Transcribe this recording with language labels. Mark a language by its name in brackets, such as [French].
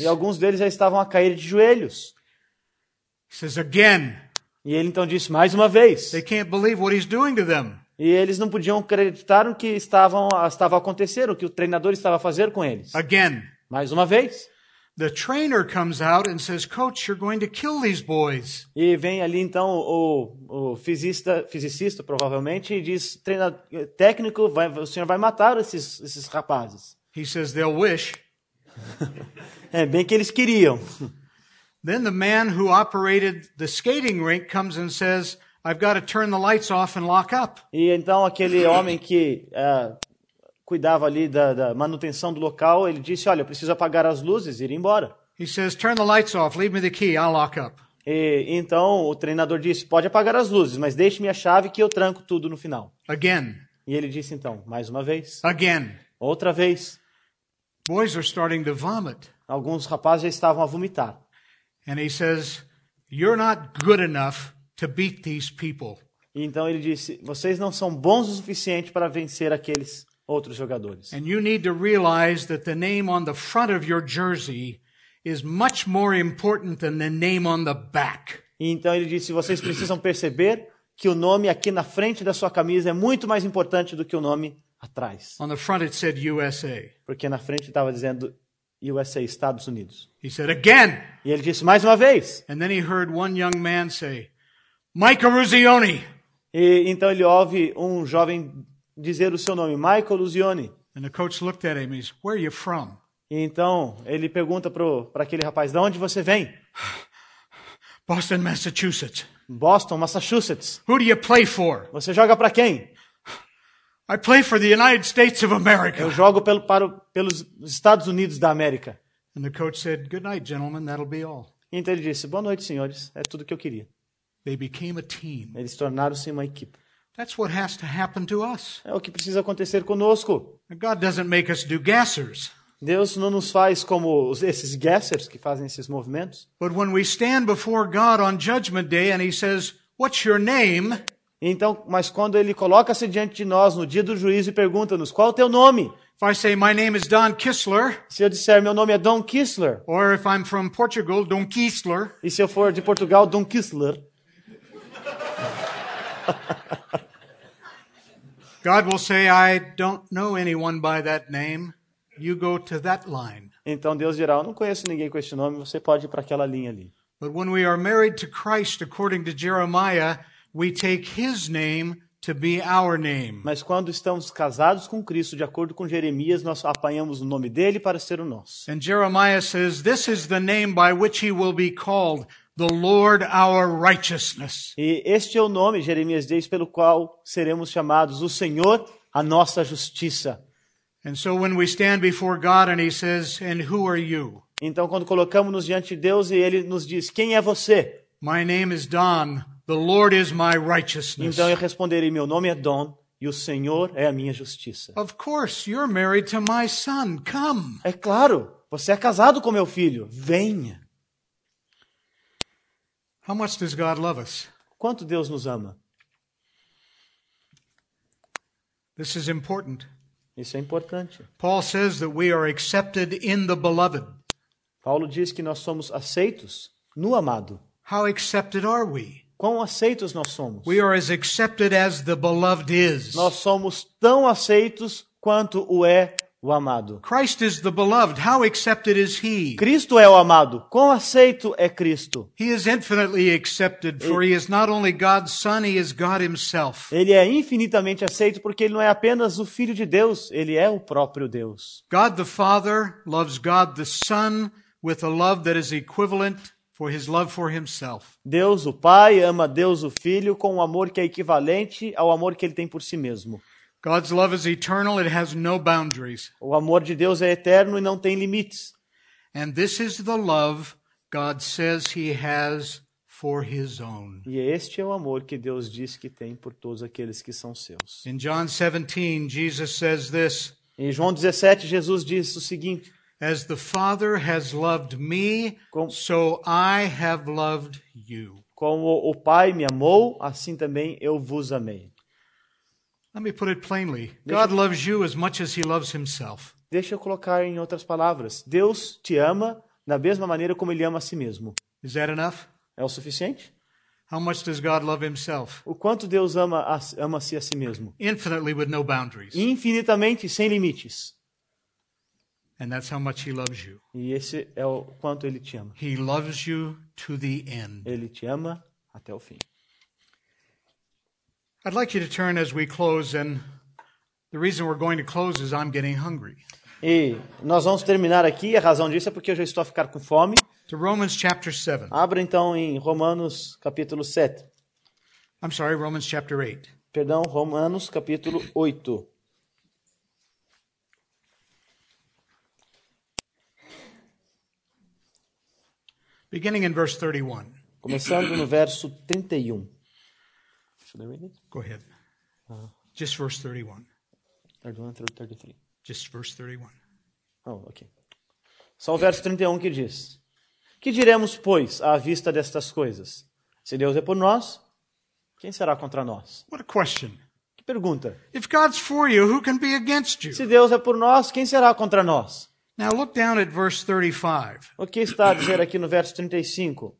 [Portuguese] E alguns deles já estavam a cair de joelhos. [English] He says again. [Portuguese] E ele então disse mais uma vez. [English] They can't believe what he's doing to them. [Portuguese] E eles não podiam acreditar no que estava acontecendo, o que o treinador estava a fazer com eles. [English] Again. [Portuguese] Mais uma vez. [English] The trainer comes out and says, "Coach, you're going to kill these boys." [Portuguese] E vem ali então o fisicista provavelmente e diz, "Técnico, o senhor vai matar esses rapazes." [English] He says they'll wish. [Portuguese] É bem que eles queriam. [English] Then the man who operated the skating rink comes and says, "I've got to turn the lights off and lock up." [Portuguese] E então aquele homem que cuidava ali da manutenção do local, ele disse, "Olha, eu preciso apagar as luzes e ir embora." [English] He says, "Turn the lights off, leave me the key, I'll lock up." [Portuguese] E então o treinador disse, "Pode apagar as luzes, mas deixe-me a chave que eu tranco tudo no final." [English] Again. [Portuguese] E ele disse então, mais uma vez. [English] Again. [Portuguese] Outra vez. [English] Boys are starting to vomit. [Portuguese] Alguns rapazes já estavam a vomitar. [English] And he says, "You're not good enough to beat these people." [Portuguese] Então ele disse, "Vocês não são bons o suficiente para vencer aqueles outros jogadores." [English] And you need to realize that the name on the front of your jersey is much more important than the name on the back. [Portuguese] Então ele disse, "Vocês precisam perceber que o nome aqui na frente da sua camisa é muito mais importante do que o nome atrás. [English] On the front it said USA. [Portuguese] Porque na frente estava dizendo USA, Estados Unidos. [English] He said again. [Portuguese] E ele disse mais uma vez. [English] And then he heard one young man say, Michael Ruzioni. [Portuguese] E então ele ouve um jovem dizer o seu nome, Michael Ruzioni. [English] And the coach looked at him and said, where are you from? [Portuguese] E então ele pergunta para aquele rapaz, de onde você vem? [English] Boston, Massachusetts. [Portuguese] Boston, Massachusetts. [English] Who do you play for? [Portuguese] Você joga para quem? [English] I play for the United States of America. [Portuguese] Eu jogo pelos Estados Unidos da América. [English] And the coach said, good night, gentlemen, that'll be all. [Portuguese] Então ele disse, boa noite, senhores, é tudo que eu queria. [English] They became a team. [Portuguese] Eles tornaram-se uma equipe. [English] That's what has to happen to us. [Portuguese] É o que precisa acontecer conosco. [English] God doesn't make us do guessers. [Portuguese] Deus não nos faz como esses guessers que fazem esses movimentos. [English] But when we stand before God on judgment day and he says, what's your name? [Portuguese] Então, mas quando ele coloca-se diante de nós no dia do juízo e pergunta-nos, qual é o teu nome? [English] If I say, my name is Don Kistler. [Portuguese] Se eu disser, meu nome é Don Kistler. [English] Or if I'm from Portugal, Don Kistler. [Portuguese] E se eu for de Portugal, Don Kistler. [English] God will say, I don't know anyone by that name. You go to that line. [Portuguese] Então Deus dirá, eu não conheço ninguém com esse nome, você pode ir para aquela linha ali. [English] But when we are married to Christ, according to Jeremiah, we take his name to be our name. [Portuguese] Mas quando estamos casados com Cristo, de acordo com Jeremias, nós apanhamos o nome dele para ser o nosso. [English] And Jeremiah says, this is the name by which he will be called, the Lord our righteousness. [Portuguese] E este é o nome, Jeremias diz, pelo qual seremos chamados o Senhor, a nossa justiça. [English] And so when we stand before God and he says, and who are you? [Portuguese] Então quando colocamos-nos diante de Deus e ele nos diz, quem é você? [English] My name is Don. The Lord is my righteousness. [Portuguese] Então eu responderei, meu nome é Don e o Senhor é a minha justiça. [English] Of course, you're married to my son. Come. [Portuguese] É claro, você é casado com meu filho. Venha. [English] How much does God love us? [Portuguese] Quanto Deus nos ama? [English] This is important. [Portuguese] Isso é importante. [English] Paul says that we are accepted in the beloved. [Portuguese] Paulo diz que nós somos aceitos no amado. [English] How accepted are we? [Portuguese] Quão aceitos nós somos? [English] We are as accepted as the beloved is. [Portuguese] Nós somos tão aceitos quanto o é o amado. [English] Christ is the beloved. How accepted is he? [Portuguese] Cristo é o amado. Quão aceito é Cristo? [English] He is infinitely accepted, for he is not only God's son, he is God himself. [Portuguese] Ele é infinitamente aceito porque ele não é apenas o filho de Deus, ele é o próprio Deus. [English] God the Father loves God the Son with a love that is equivalent for his love for himself. [Portuguese] Deus o Pai ama Deus o Filho com um amor que é equivalente ao amor que ele tem por si mesmo. [English] God's love is eternal, it has no boundaries. [Portuguese] O amor de Deus é eterno e não tem limites. [English] And this is the love God says he has for his own. [Portuguese] E este é o amor que Deus diz que tem por todos aqueles que são seus. [English] In John 17, Jesus says this. [Portuguese] Em João 17, Jesus diz o seguinte. [English] As the Father has loved me, so I have loved you. [Portuguese] Como o Pai me amou, assim também eu vos amei. [English] Let me put it plainly. God loves you as much as he loves himself. [Portuguese] Deixa eu colocar em outras palavras. Deus te ama da mesma maneira como ele ama a si mesmo. [English] Is that enough? [Portuguese] É o suficiente? [English] How much does God love himself? [Portuguese] O quanto Deus ama-se a si mesmo? [English] Infinitely with no boundaries. [Portuguese] Infinitamente sem limites. [English] And that's how much he loves you. [Portuguese] E esse é o quanto ele te ama. [English] He loves you to the end. [Portuguese] Ele te ama até o fim. [English] I'd like you to turn as we close, and the reason we're going to close is I'm getting hungry. [Portuguese] E nós vamos terminar aqui, a razão disso é porque eu já estou a ficar com fome. [English] To Romans chapter 7. [Portuguese] Abra então em Romanos capítulo 7. [English] I'm sorry, Romans chapter 8. [Portuguese] Perdão, Romanos capítulo 8. [English] Beginning in verse 31. [Portuguese] Começando no verso 31. [English] Go ahead. Just verse 31. 33. Just verse 31. Oh, okay. [Portuguese] Só o verso 31 que diz. Que diremos, pois, à vista destas coisas? Se Deus é por nós, quem será contra nós? [English] What a question. [Portuguese] Que pergunta. [English] If God's for you, who can be against you? [Portuguese] Se Deus é por nós, quem será contra nós? [English] Now look down at verse 35. [Portuguese] O que está a dizer aqui no verso 35?